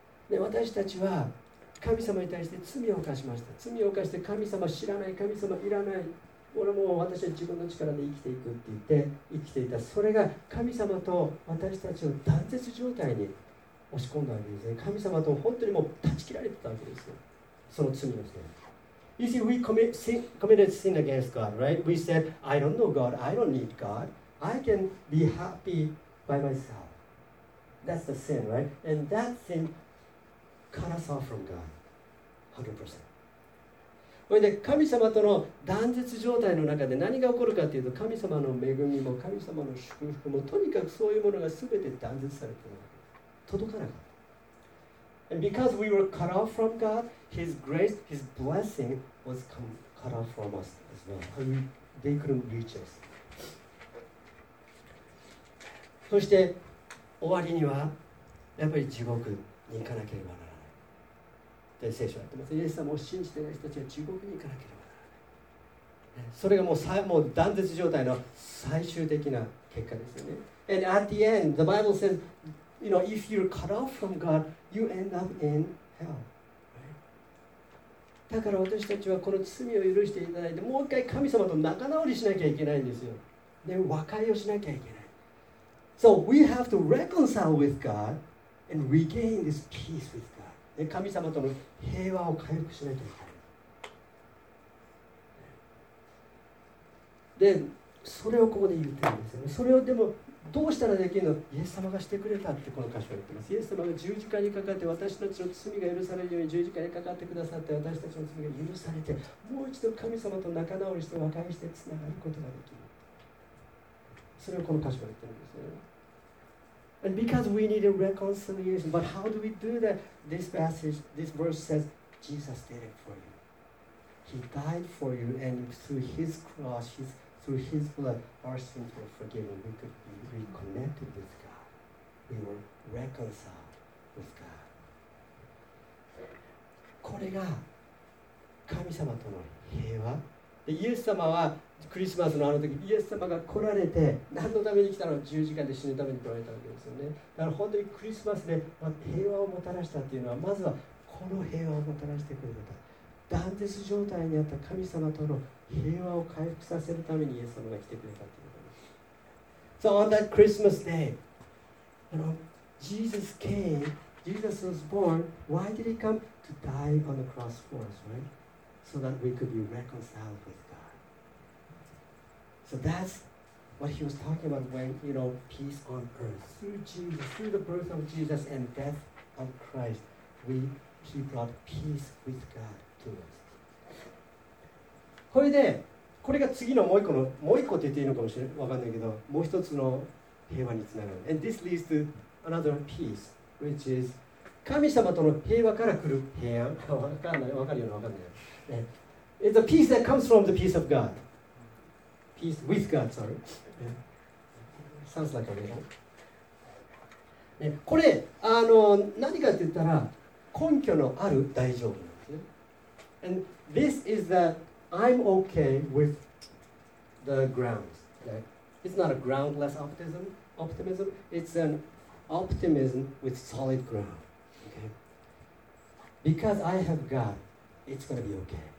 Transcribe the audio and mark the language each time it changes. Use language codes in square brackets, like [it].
[ja] で、私たちは神様に対して罪を犯しました。罪を犯して神様知らない、神様いらない。俺も私は自分の力で生きていくって言って生きていた。それが神様と私たちを断絶状態に押し込んだわけですね。神様と本当にもう断ち切られてたわけですよ。その罪のせい。 [en] You see, we committed sin against God, right? We said, I don't know God, I don't need God. I can be happy by myself. That's the sin, right? And that sin... cut us off from God, 100%. [ja] それで神様との断絶状態の中で何が起こるかというと、神様の恵みも神様の祝福もとにかくそういうものが全て断絶されて届かなかった。 [en] And because we were cut off from God, His grace, His blessing was cut off from us as well. They couldn't reach us. [ja] そして終わりにはやっぱり地獄に行かなければならない。聖書はってます。イエス様を信じている人たちは地獄に行かなければならない。それがもう断絶状態の最終的な結果ですよね。 [en] And at the end, the Bible says, you know, if you're cut off from God, you end up in hell. [ja] だから私たちはこの罪を許していただいて、もう一回神様と仲直りしなきゃいけないんですよ。で、和解をしなきゃいけない。 [en] So we have to reconcile with God and regain this peace with God. [ja] 神様との平和を回復しないといけない。で、それをここで言ってるんですよね。それをでもどうしたらできるの？イエス様がしてくれたってこの箇所を言ってます。イエス様が十字架にかかって私たちの罪が許されるように十字架にかかってくださって私たちの罪が許されて、もう一度神様と仲直りして和解してつながることができる。それをこの箇所を言ってるんですよね。 [en] And because we need a reconciliation, but how do we do that? This passage, this verse says, Jesus did it for you. He died for you, and through His cross, through His blood, our sins were forgiven. We could be reconnected with God. we were reconciled with God. [ja] これが神様との平和で、イエス様はクリスマスのあの時、イエス様が来られて何のために来たの？十字架で死ぬために来られたわけですよね。だから本当にクリスマスで平和をもたらしたというのは、まずはこの平和をもたらしてくれた断絶状態にあった神様との平和を回復させるためにイエス様が来てくれたということです。 [en] So on that Christmas day, you know, Jesus came, Jesus was born. Why did he come? To die on the cross for us, right? So that we could be reconciled with God. So that's what he was talking about when, you know, peace on earth. Through Jesus, through the birth of Jesus and death of Christ, he brought peace with God to us. [ja] これで、これが次のもう一個の、もう一個って言っていいのかもしれない、わかんないけど、もう一つの平和につながる。 [en] And this leads to another peace, which is [ja] 神様との平和から来る平安。わかんない、わかるような、わかんない。 [en] Yeah. It's a peace that comes from the peace of God. Peace with God, sorry.、Yeah. Sounds like a little.、Yeah. [ja] これ、何かって言ったら、根拠のある大丈夫なんですね。 [en] And this is theI'm okay with the grounds.、Okay? It's not a groundless optimism. It's an optimism with solid ground.、Okay? Because I have God, it's going to be okay.